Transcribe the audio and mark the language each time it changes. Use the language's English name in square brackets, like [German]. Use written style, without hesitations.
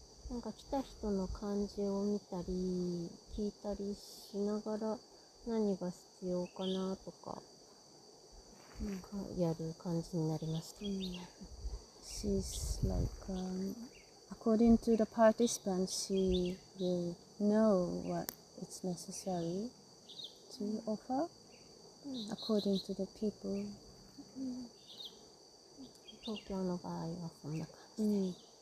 [Japanese] なんか来た人の感じを見たり聞いたりしながら何が必要かなとかやる感じになりました。 [English] She's like, according to the participants, she will know what it's necessary to offer according to the people. [Japanese] 東京の場合はそんな感じ。